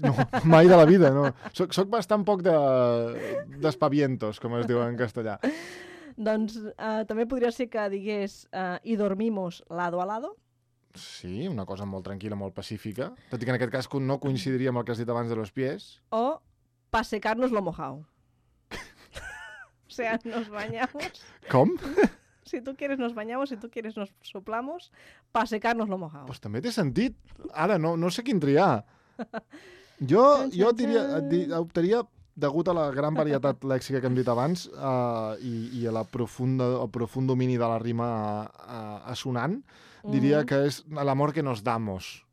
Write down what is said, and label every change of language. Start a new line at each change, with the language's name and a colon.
Catalan: No, mai de la vida, no. Soc bastant poc d'espavientos, com es diu en castellà. Doncs també podria ser que digués i
Spanish: dormimos lado a lado.
Catalan: Sí, una cosa molt tranquil·la, molt pacífica. Tot i que en aquest cas no coincidiria amb el que has dit abans
Spanish: de los pies.
Catalan: O...
Spanish: Para secarnos lo mojado. O sea, nos bañamos.
Catalan: ¿Com?
Spanish: Si tú quieres nos bañamos, si tú quieres nos soplamos, para secarnos lo mojado.
Catalan: Pues també té sentit. Ara, no sé quin triar. Jo diria, optaria, degut a la gran varietat lèxica que hem dit abans i a la profunda, el profund domini de la rima assonant, diria que és l'amor
Spanish: que nos damos.